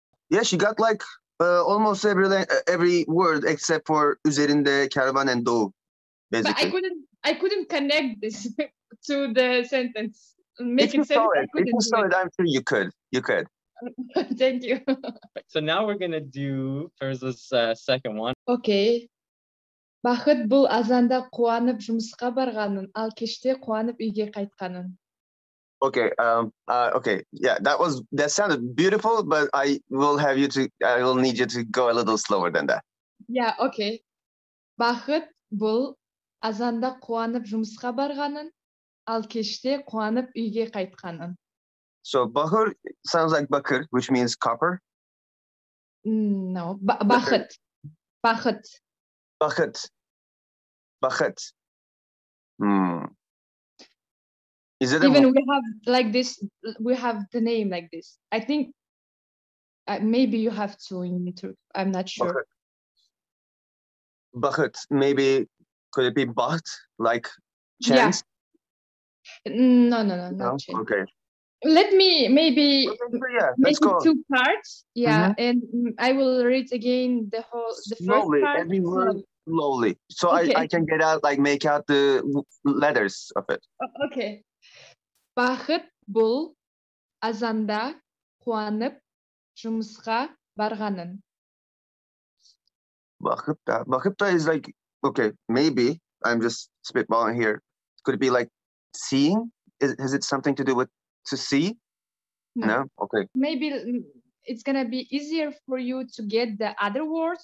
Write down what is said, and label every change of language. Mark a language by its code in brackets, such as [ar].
[en] Yeah, she got like almost every word except for üzerinde, kervan, and do, basically. But I couldn't connect this to the sentence. Make if you saw sense, it, if you saw it, I'm sure you could. You could. Thank you. So now we're gonna do Feruza's second one. Okay. [kk] Бақыт бұл азанда қуанып жұмысқа барғанын, ал кеште қуанып үйге қайтқанын. [en] Okay. Okay. Yeah. That sounded beautiful, but I will need you to go a little slower than that. Yeah. Okay. [kk] Бақыт бұл азанда қуанып жұмысқа барғанын, ал кеште қуанып үйге қайтқанын. [en] So bahır sounds like bakır, which means copper. [kk] No. Бақыт. Бақыт. [en] Бақыт. Бақыт. Is it even we have like this, we have the name like this. I think maybe you have to in Turk. I'm not sure. Bahut, maybe could it be baht, like chance? Yeah. No, not chance. Okay. Let me maybe Let's make go. It two parts. Yeah, mm-hmm. And I will read again the whole the slowly, first part. Every word. Slowly, so okay. I can get out, like make out the letters of it. Okay. [kk] Бақыт бұл азанда қуанып жұмысқа барғанын. [en] Бақытта is like, okay, maybe, I'm just spitballing here. Could it be like seeing? Has it something to do with to see? No. No? Okay. Maybe it's going to be easier for you to get the other words.